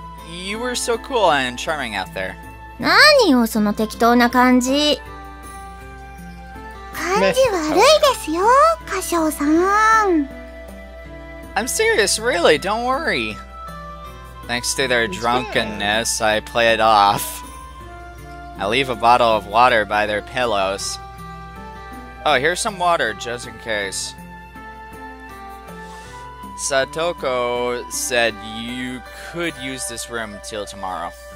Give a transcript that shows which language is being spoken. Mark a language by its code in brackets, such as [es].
[en] You were so cool and charming out there. [ja] 何よ、その適当な感じ。感じ悪いですよ、歌唱さん。 [en] I'm serious, really, don't worry. Thanks to their drunkenness, I play it off. I leave a bottle of water by their pillows. Oh, here's some water, just in case. Satoko said you could use this room till tomorrow.